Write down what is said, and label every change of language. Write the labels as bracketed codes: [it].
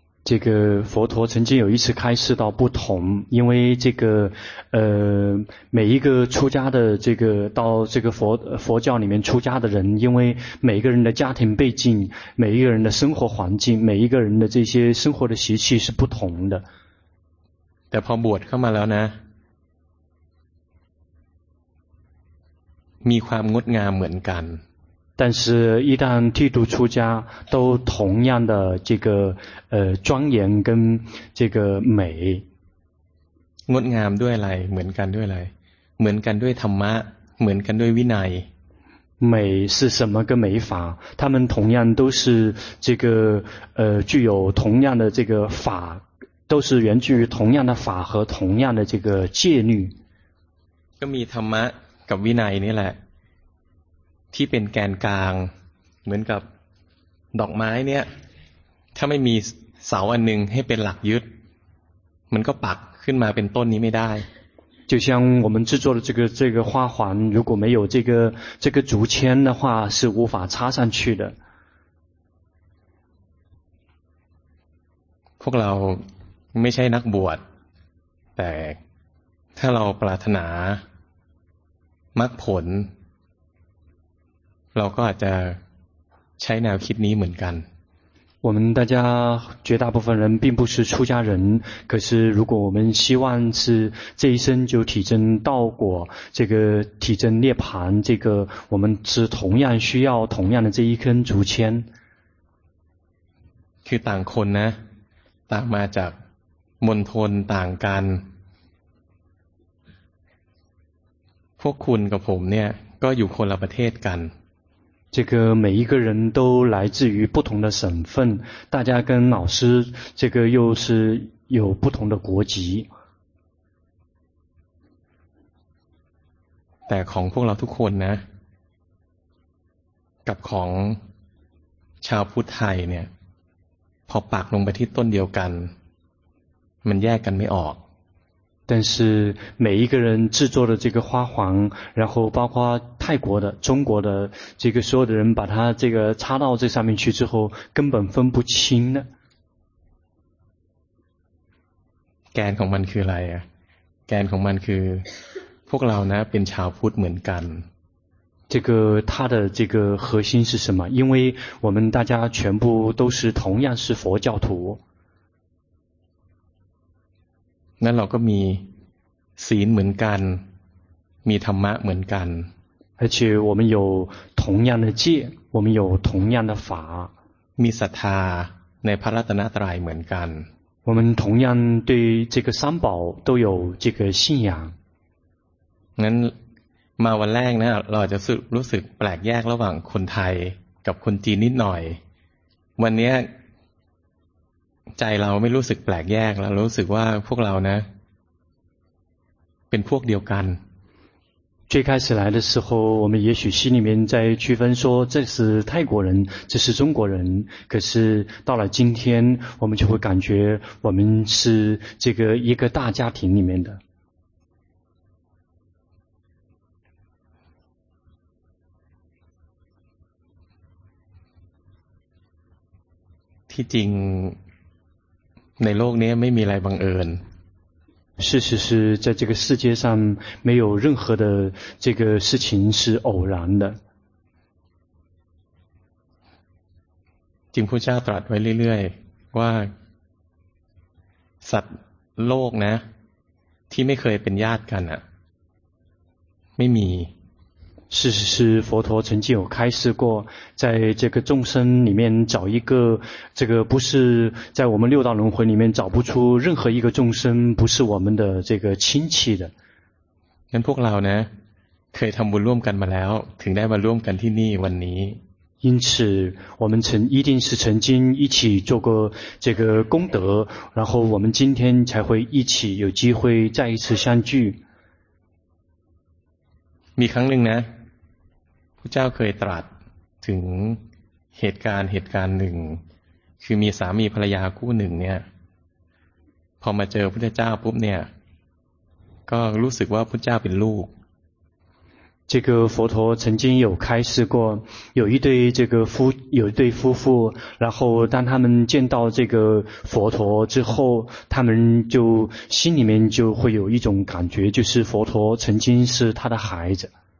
[zh] 这个佛陀曾经有一次开示到不同因为这个每一个出家的这个到这个佛教里面出家的人因为每一个人的家庭背景每一个人的生活环境每一个人的这些生活的习气是不同的 [th] แต่พอบวชเข้ามาแล้วนะมีความงดงามเหมือนกัน [zh] 但是一旦剃度出家都同样的这个庄严跟这个美 [th] งดงามด้วยอะไรเหมือนกันด้วยอะไรเหมือนกันด้วยธรรมะเหมือนกันด้วยวินัย [zh] 美是什么跟美法他们同样都是这个具有同样的这个法都是源自于同样的法和同样的这个戒律 [th] ก็มีธรรมะกับวินัยนี่แหละที่เป็นแกนกลางเหมือนกับดอกไม้เนี่ยถ้าไม่มีเสาอันหนึ่งให้เป็นหลักยึดมันก็ปักขึ้นมาเป็นต้นนี้ไม่ได้ [zh] 就像我们制作的这个花环如果没有这个竹签的话是无法插上去的 [th] พวกเราไม่ใช่นักบวชแต่ ถ้าเราปรารถนามรรคผลเราก็อาจจะใช้แนวคิดนี้เหมือนกัน [zh] 我们大家绝大部分人并不是出家人，可是如果我们希望是这一生就体证道果，这个体证涅槃，这个我们是同样需要同样的这一根竹签。 [th] คือต่างคนนะต่างมาจากมณฑลต่างกันพวกคุณกับผมเนี่ยก็อยู่คนละประเทศกัน [zh] 这个每一个人都来自于不同的省份，大家跟老师这个又是有不同的国籍。 [th] แต่ของพวกเราทุกคนนะกับของชาวพุทธไทยเนี่ยพอปักลงไปที่ต้นเดียวกันมันแยกกันไม่ออก [zh] 但是每一个人制作的这个花环，然后包括泰国的、中国的，这个所有的人把它这个插到这上面去之后，根本分不清的。 [th] แกนของมันคืออะไรอ่ะ แกนของมันคือพวกเรานะเป็นชาวพุทธเหมือนกัน [zh] 这个它的这个核心是什么？因为我们大家全部都是同样是佛教徒。 [th] นั้นเราก็มีศีลเหมือนกันมีธรรมะเหมือนกัน [zh] 而且我们有同样的戒我们有同样的法 [th] มีศรัทธาในพระรัตนตรัยเหมือนกัน [zh] 我们同样对这个三宝都有这个信仰 [th] งั้นมาวันแรกนะเราจะรู้สึกแปลกแยกระหว่างคนไทยกับคนจีนนิดหน่อยวันนี้ใจเราไม่รู้สึกแปลกแยกแล้วรู้สึกว่าพวกเรานะเป็นพวกเดียวกัน [zh] 最开始来的时候我们也许心里面在区分说这是泰国人这是中国人可是到了今天我们就会感觉我们是这个一个大家庭里面的 [th] ที่จริงในโลกนี้ไม่มีอะไรบังเอิญ [zh] 事实是在这个世界上没有任何的这个事情是偶然的 [th] จริงพุทธเจ้าตรัสไว้เรื่อยๆว่าสัตว์โลกนะที่ไม่เคยเป็นญาติกันอ่ะไม่มี [zh] 事实是佛陀曾经有开示过在这个众生里面找一个这个不是在我们六道轮回里面找不出任何一个众生不是我们的这个亲戚的 [th] งั้นพวกเราเนี่ยเคยทำบุญร่วมกันมาแล้วถึงได้มาร่วมกันที่นี่วันนี้ [zh] 因此我们一定是曾经一起做过这个功德然后我们今天才会一起有机会再一次相聚 [th] มีครั้งหนึ่งนะพระเจ้าเคยตรัสถึงเหตุการณ์หนึ่งคือมีสามีภรรยาคู่หนึ่งเนี่ยพอมาเจอพระเจ้าปุ๊บเนี่ยก็รู้สึกว่าพระเจ้าเป็นลูก [zh] 这个佛陀曾经有开示过有一对这个夫有一对夫妇然后当他们见到这个佛陀之后他们就心里面就会有一种感觉就是佛陀曾经是他的孩子